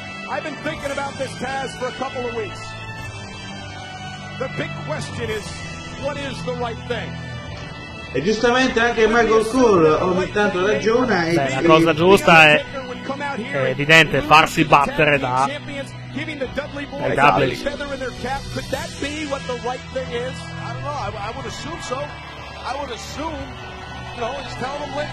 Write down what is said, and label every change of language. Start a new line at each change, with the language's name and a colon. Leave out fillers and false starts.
English: I've been thinking about this, Taz, for a couple of weeks. The big question is, what is the right thing?
Italian: E giustamente anche Michael Cole ogni tanto ragiona. Beh, la cosa giusta è, evidente, farsi battere da Dudley.
English: Could that be what the right thing is? I don't know, I would assume so. I would assume, you know, just tell them